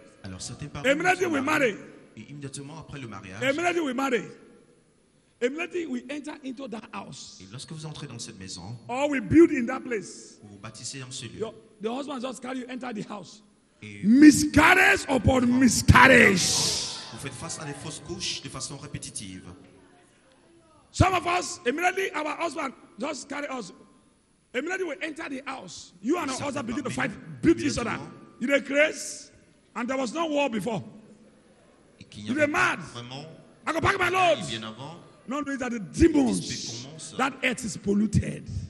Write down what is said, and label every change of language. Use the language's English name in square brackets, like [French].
[French] Alors, certains parents et immédiatement après le mariage, [English] immediately we enter into that house. [French] Et lorsque vous entrez dans cette maison, [English] or we build in that place, [French] ou vous bâtissez dans ce lieu, [English] the husband just carry you enter the house. Miscarriage upon miscarriage. [French] Vous faites face à des fausses couches de façon répétitive. [English] Some of us, immediately our husband just carry us. Immediately we enter the house. You and our husband begin to fight, beat each other. You know, grace. And there was no war before. You were mad. I go pack my loads. Not knowing that the demons, that earth is polluted.